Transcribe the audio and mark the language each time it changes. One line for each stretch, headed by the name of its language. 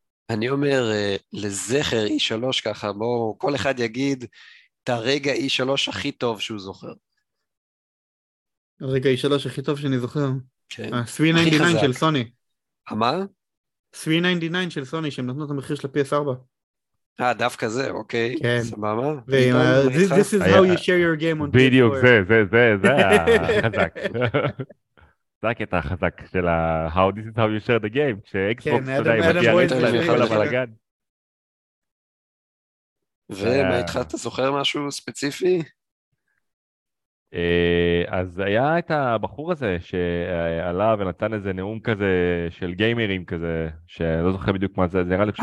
Hebrew: אני אומר, לזכר E3 ככה, בואו, כל אחד יגיד את הרגע E3 הכי טוב שהוא זוכר. הרגע E3 הכי טוב שאני זוכר? כן. ה-399 של סוני. מה? ה-399 של סוני, שהם נתנו את המחיר של ה-PS4. דווקא זה, אוקיי, סבבה.
English: This is how you share your game on
Hebrew: PS4. בדיוק, זה החזק. זה הקטע החזק של
English: how this is how you share the game,
Hebrew: כשאקסבוקס עדיין מגיע לכל הבלגן. ומה איתך, אתה זוכר משהו ספציפי? אז היה את הבחור הזה שעלה ונתן איזה נאום כזה של גיימרים כזה, שלא זוכר בדיוק מה זה, זה נראה לי